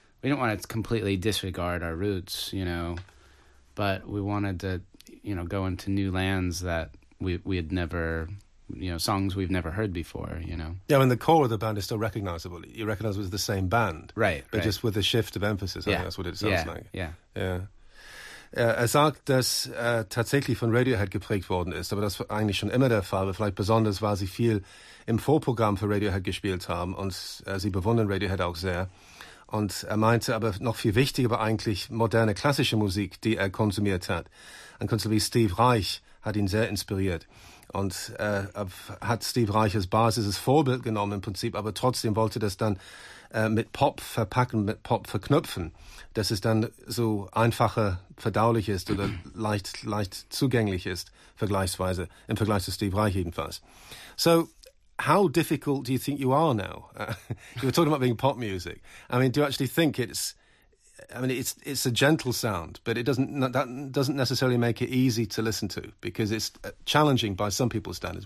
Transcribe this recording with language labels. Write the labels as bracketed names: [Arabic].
[English] We didn't want to completely disregard our roots, you know, but we wanted to, you know, go into new lands that we had never, you know, songs we've never heard before, you know. Yeah, and the core of the band is still recognizable. You recognize it as the same band. Right, but just with a shift of emphasis, I think that's what it sounds like. Yeah. [German] Er sagt, dass tatsächlich von Radiohead geprägt worden ist, aber das war eigentlich schon immer der Fall, vielleicht besonders, weil sie viel im Vorprogramm für Radiohead gespielt haben und sie bewundern Radiohead auch sehr. Und er meinte aber noch viel wichtiger war eigentlich moderne klassische Musik, die er konsumiert hat. Ein Künstler wie Steve Reich hat ihn sehr inspiriert. Und er hat Steve Reich als Basis, als Vorbild genommen im Prinzip, aber trotzdem wollte das dann mit Pop verpacken, mit Pop verknüpfen, dass es dann so einfacher verdaulich ist oder leicht zugänglich ist, vergleichsweise, im Vergleich zu Steve Reich jedenfalls. [English] So, how difficult do you think you are now? You were talking about being pop music. I mean, do you actually think it's a gentle sound, but it doesn't necessarily make it easy to listen to because it's challenging by some people's standards.